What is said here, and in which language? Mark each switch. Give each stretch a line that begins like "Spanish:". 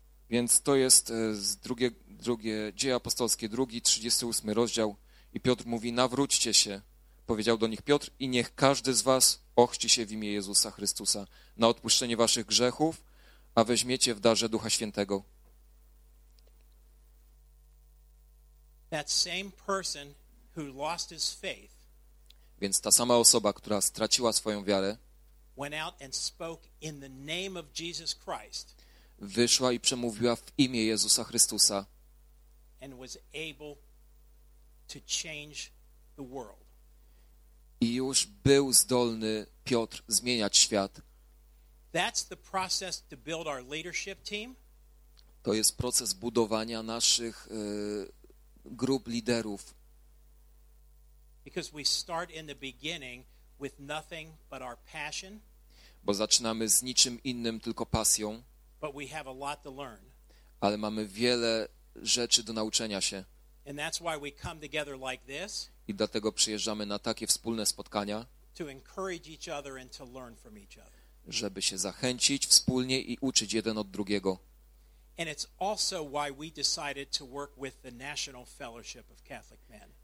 Polish: Więc to jest z drugie Dzieje Apostolskie, 38 rozdział. I Piotr mówi, nawróćcie się, powiedział do nich Piotr, i niech każdy z was ochrzci się w imię Jezusa Chrystusa na odpuszczenie waszych grzechów, a weźmiecie w darze Ducha Świętego.
English: That same person who lost his faith,
Polish: więc ta sama osoba, która straciła swoją wiarę,
English: went out and spoke in the name of Jesus Christ,
Polish: wyszła i przemówiła w imię Jezusa Chrystusa,
English: and was able to change the world.
Polish: I już był zdolny Piotr zmieniać świat.
English: That's the process to build our leadership team.
Polish: To jest proces budowania naszych grup liderów.
English: Because we start in the beginning with nothing but our passion.
Polish: Bo zaczynamy z niczym innym, tylko pasją.
English: But we have a lot to learn.
Polish: Ale mamy wiele rzeczy do nauczenia się.
English: And that's why we come together like this.
Polish: I dlatego przyjeżdżamy na takie wspólne spotkania,
English: to encourage each other and to learn from each other.
Polish: Żeby się zachęcić wspólnie i uczyć jeden od drugiego.
English: And it's also why we decided to work with the National Fellowship of Catholic Men.